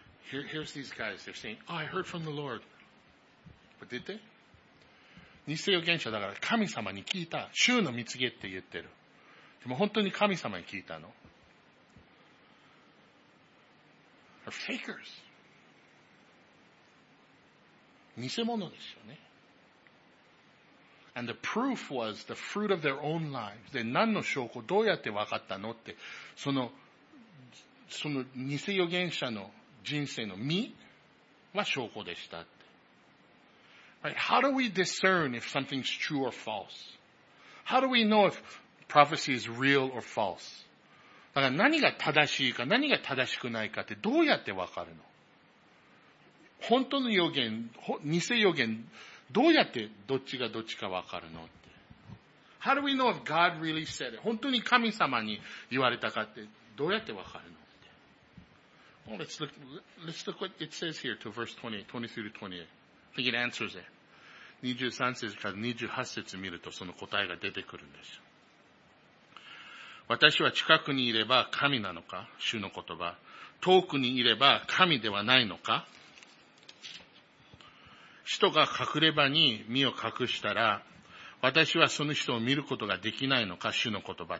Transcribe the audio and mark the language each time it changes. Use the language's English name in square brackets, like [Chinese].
[English] Here's these guys, they're saying, oh, I heard from the Lord. But did they? [Japanese] 偽預言者だから神様に聞いた。主の見つけって言ってる。でも本当に神様に聞いたの。 [English] They're fakers. [Japanese] 偽物ですよね。 [English] And the proof was the fruit of their own lives. [Japanese] で、何の証拠、どうやって分かったのって、その偽預言者の人生の実は証拠でしたって。 [English] Right. How do we discern if something's true or false? How do we know if prophecy is real or false? [Japanese] だから何が正しいか何が正しくないかってどうやってわかるの？本当の予言、偽予言、どうやってどっちがどっちかわかるのって。 [English] How do we know if God really said it? [Japanese] 本当に神様に言われたかってどうやってわかるの？ [English] Well, let's look what it says here to verse 28, 23 to 28. I think it answers it. 23 [Japanese] 節から28節を見るとその答えが出てくるんです。私は近くにいれば神なのか、主の言葉。遠くにいれば神ではないのか。人が隠れ場に身を隠したら、私はその人を見ることができないのか、主の言葉。